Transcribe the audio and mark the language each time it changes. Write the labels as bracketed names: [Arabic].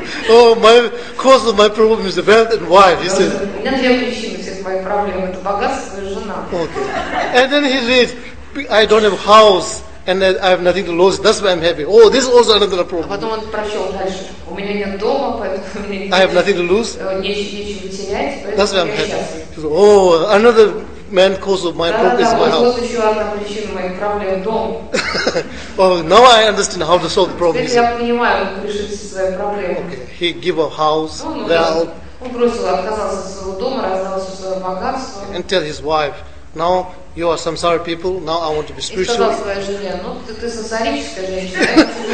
[English] Oh, my cause of my problem is the wealth and wife, he says. [Russian] У меня две причины всех моих проблем: это богатство и жена. [English] Okay. And then he says, I don't have house. And I have nothing to lose. That's why I'm happy. Oh, this is also another problem. [Russian] А потом он прочел дальше. У меня нет дома, поэтому у меня нет. [English] I have nothing to lose. [Russian] Нечего терять. [English] That's why I'm happy. Oh, another main cause of my problem is my house. [Russian] Вот еще одна причина моих проблем – дом. [English] Oh, now I understand how to solve the problem. [Russian] Теперь я понимаю, как решить свои проблемы. [English] Okay. He give a house. Well. [Russian] Он бросил, отказался от своего дома, раздал все свое богатство. [English] And tell his wife, now. You are samsara people, now I want to be spiritual. [Russian] И сказал своей жене, ну ты сансарическая женщина.